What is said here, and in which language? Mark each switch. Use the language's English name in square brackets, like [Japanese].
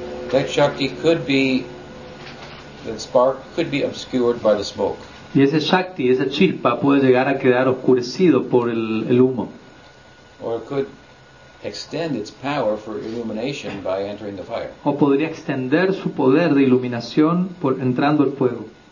[English] That shakti could be, that spark could be obscured by the smoke. [Spanish] Y ese shakti, esa chispa, puede llegar a quedar oscurecido por el humo. [English] Or it could extend its power for illumination by entering the fire. [Spanish] O podría extender su poder de iluminación por entrando al fuego.